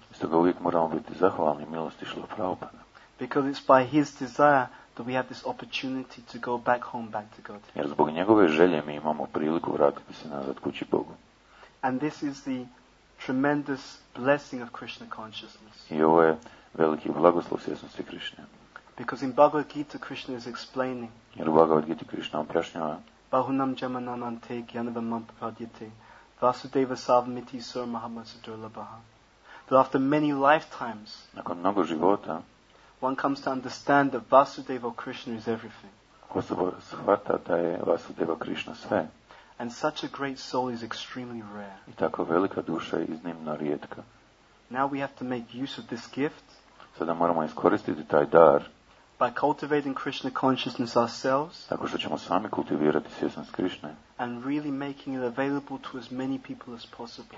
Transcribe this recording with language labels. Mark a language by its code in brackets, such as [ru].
[hr] Stoga uvijek moramo biti zahvalni milosti Srila Prabhupada. [en] Because it's by his desire that we have this opportunity to go back home, back to God. [hr] Jer zbog njegove želje mi imamo priliku vratiti se nazad kući Bogu. [en] And this is the tremendous blessing of Krishna consciousness. [hr] I ovo je veliki blagoslov svjesnosti Krishne. [en] Because in Bhagavad Gita Krishna is explaining. [hr] Jer u Bhagavad Gita Krishna objašnjava. [sa] Bahunam jamananante gyanavamam papadyate vasudeva savamiti sur mahamasadurlabaha. [en] That after many lifetimes, [hr] nakon mnogo života, [en] one comes to understand that Vasudeva Krishna is everything. [hr] Osoba shvata da je Vasudeva Krishna sve. [en] And such a great soul is extremely rare. [hr] I tako velika duša je iznimno rijetka. [en] Now we have to make use of this gift. [hr] Sada moramo iskoristiti taj dar. [en] By cultivating Krishna consciousness ourselves. [hr] Tako što ćemo sami kultivirati svjesnost Krishne. [en] And really making it available to as many people as possible.